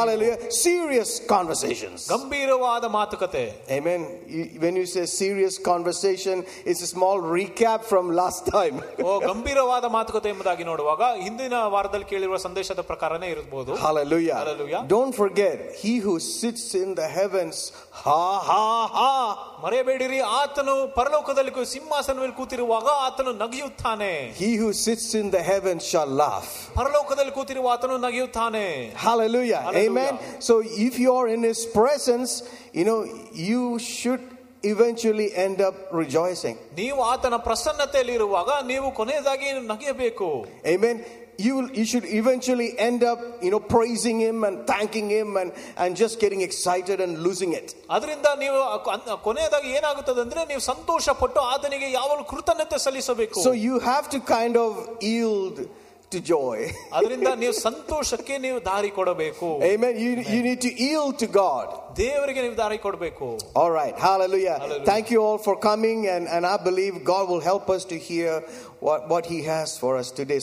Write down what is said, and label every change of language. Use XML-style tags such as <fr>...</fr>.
<en>Hallelujah. Serious conversations.</en> <kn>ಗಂಭೀರವಾದ ಮಾತುಕತೆ.</kn> <en>Amen. When you say serious conversation, it's a small recap from last time.</en> <kn>ಓ ಗಂಭೀರವಾದ ಮಾತುಕತೆ ಎಂಬುದಾಗಿ ನೋಡುವಾಗ ಹಿಂದಿನ ವಾರದಲ್ಲಿ ಕೇಳಿರುವ ಸಂದೇಶದ ಪ್ರಕಾರನೇ ಇರಬಹುದು.</kn> <en>Hallelujah. Hallelujah. Don't forget, he who sits in the heavens, ha ha ha.</en> <kn>ಮರೆಯಬೇಡಿರಿ, ಆತನು ಪರಲೋಕದಲ್ಲಿ ಸಿಂಹಾಸನ ಮೇಲೆ ಕೂತಿರುವಾಗ ಆತನು ನಗೆಯುತ್ತಾನೆ.</kn> <en>He who sits in the heavens shall laugh.</en> <kn>ಪರಲೋಕದಲ್ಲಿ ಕೂತಿರುವ ಆತನು ನಗೆಯುತ್ತಾನೆ.</kn> <en>Hallelujah. Amen. So if you are in his presence, you know, you should eventually end up rejoicing.</en> <kn>ನೀವು ಆತನ ಪ್ರಸನ್ನತೆಯಲ್ಲಿ ಇರುವಾಗ ನೀವು ಕೊನೆಯದಾಗಿ ನಗೆಯಬೇಕು.</kn> <en>Amen. you should eventually end up, you know, praising him and thanking him and just getting excited and losing it.</en> <kn>ಅದರಿಂದ ನೀವು ಕೊನೆಯದಾಗಿ ಏನಾಗುತ್ತದೆ ಅಂದ್ರೆ ನೀವು ಸಂತೋಷಪಟ್ಟು ಆತನಿಗೆ ಯಾವಾಗಲೂ ಕೃತಜ್ಞತೆ ಸಲ್ಲಿಸಬೇಕು.</kn> <en>So you have to kind of yield to joy.</en> <kn>ಅದರಿಂದ ನೀವು ಸಂತೋಷಕ್ಕೆ ನೀವು ದಾರಿ ಕೊಡಬೇಕು.</kn> <en>Amen. You need to yield to God.</en> <kn>ದೇವರಿಗೆ ನೀವು ದಾರಿ ಕೊಡಬೇಕು.</kn> <en>All right. Hallelujah. Thank you all for coming and I believe God will help us to hear what he has for us today.</en>